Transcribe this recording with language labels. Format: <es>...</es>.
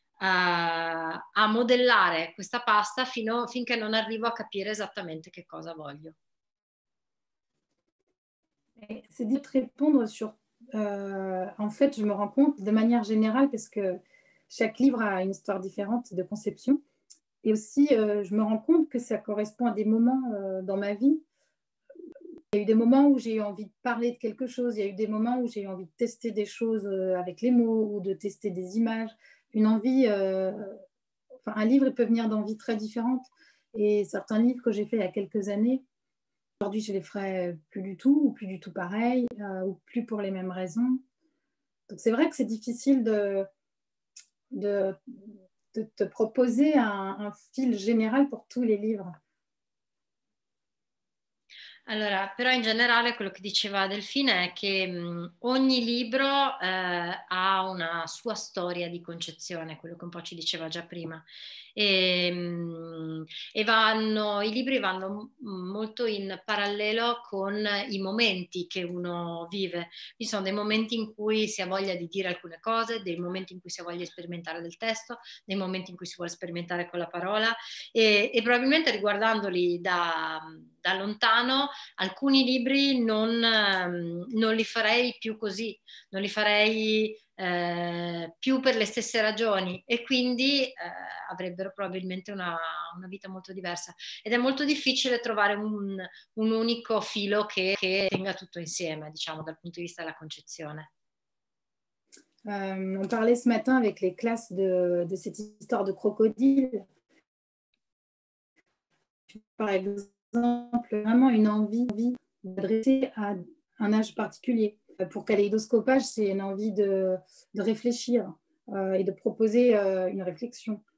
<it>a modellare questa pasta finché non arrivo a capire esattamente che cosa voglio.</it> <fr>C'est de te répondre sur. En fait, je me rends compte de manière générale, parce que chaque livre a une histoire différente de conception. Et aussi, je me rends compte que ça correspond à des moments dans ma vie. Il y a eu des moments où j'ai eu envie de parler de quelque chose. Il y a eu des moments où j'ai eu envie de tester des choses avec les mots ou de tester des images. Une envie. Enfin, un livre peut venir d'envies très différentes. Et certains livres que j'ai faits il y a quelques années. Aujourd'hui, je les ferai plus du tout, ou plus du tout pareil, ou plus pour les mêmes raisons. Donc, c'est vrai que c'est difficile de te proposer un fil général pour tous les livres.</fr> <it>Allora, però in generale quello che diceva Delfina è che ogni libro ha una sua storia di concezione, quello che un po' ci diceva già prima. E i libri vanno molto in parallelo con i momenti che uno vive. Ci sono dei momenti in cui si ha voglia di dire alcune cose, dei momenti in cui si ha voglia di sperimentare del testo, dei momenti in cui si vuole sperimentare con la parola. E probabilmente riguardandoli da lontano, alcuni libri non li farei più così, non li farei più per le stesse ragioni e quindi avrebbero probabilmente una vita molto diversa ed è molto difficile trovare un unico filo che tenga tutto insieme, diciamo, dal punto di vista della concezione.</it> <fr>On parlait ce matin avec les classes de cette histoire de crocodile. Par exemple, vraiment une envie d'adresser à un âge particulier. Pour Kaléidoscopage, c'est une envie de réfléchir et de proposer une réflexion.</fr>